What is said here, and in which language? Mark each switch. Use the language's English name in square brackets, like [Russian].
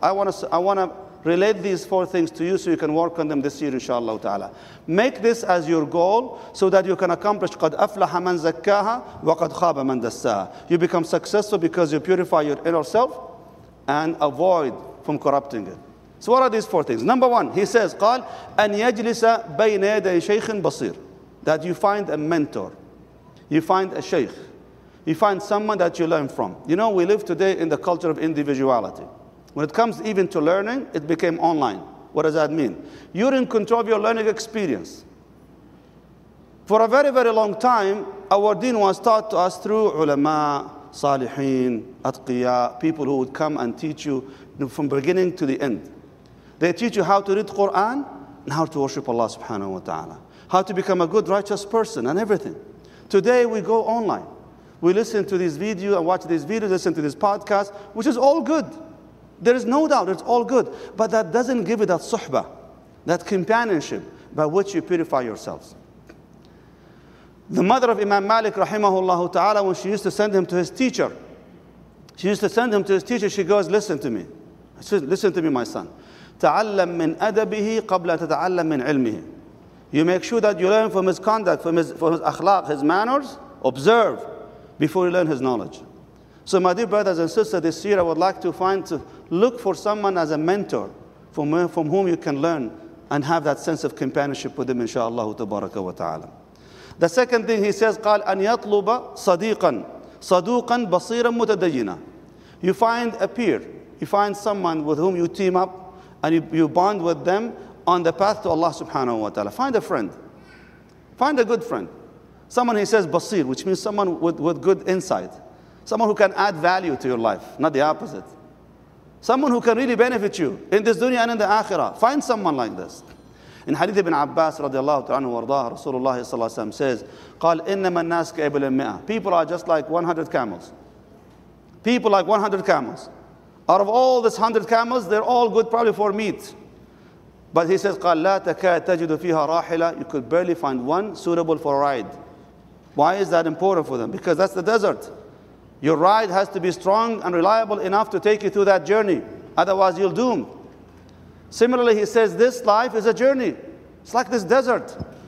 [English] I want to relate these four things to you so you can work on them this year, inshallah ta'ala. Make this as your goal so that you can accomplish قَدْ أَفْلَحَ مَنْ زَكَّاهَا وَقَدْ خَابَ مَنْ دَسَّاهَا. You become successful because you purify your inner self and avoid from corrupting it. So what are these four things? [Arabic] Number one, he says, قَالْ أَنْ يَجْلِسَ بَيْنَ يَدَيْ شَيْخٍ بَصِيرٍ. [English] That you find a mentor. You find a sheikh. You find someone that you learn from. You know, we live today in the culture of individuality. When it comes even to learning, it became online. What does that mean? You're in control of your learning experience. For a very, very long time, our deen was taught to us through ulama, salihin, atqiya, people who would come and teach you from beginning to the end. They teach you how to read Quran and how to worship Allah subhanahu wa ta'ala. How to become a good, righteous person and everything. Today, we go online. We listen to this video and watch this video, listen to this podcast, which is all good. There is no doubt, it's all good. But that doesn't give you that suhbah, that companionship by which you purify yourselves. The mother of Imam Malik, rahimahullah ta'ala, when she used to send him to his teacher, she goes, listen to me. I said, listen to me, my son. [Arabic] تعلم من أدبه قبل أن تتعلم من علمه. [English] You make sure that you learn from his conduct, from his akhlaq, his manners. Observe before you learn his knowledge. So my dear brothers and sisters, this year I would like to look for someone as a mentor from whom you can learn and have that sense of companionship with him, inshaAllah, tabaraka wa ta'ala. [Arabic] The second thing he says, قال أن يطلب صديقاً صدوقاً بصيراً متدينًا. [English] You find a peer, you find someone with whom you team up and you bond with them on the path to Allah subhanahu wa ta'ala. Find a friend. Find a good friend. Someone, he says, basir, which means someone with good insight. Someone who can add value to your life, not the opposite. Someone who can really benefit you in this dunya and in the akhirah. Find someone like this. In Hadith ibn Abbas radiallahu ta'ala wa rada, Rasulullah sallallahu alayhi wa sallam says, قال إنما الناس كأبل المئة. People are just like 100 camels. People like 100 camels. Out of all these 100 camels, they're all good probably for meat. [Arabic] But he says, قال لا تكاد تجد فيها راحلة. [English] You could barely find one suitable for a ride. Why is that important for them? Because that's the desert. Your ride has to be strong and reliable enough to take you through that journey. Otherwise, you'll doom. Similarly, he says, this life is a journey. It's like this desert.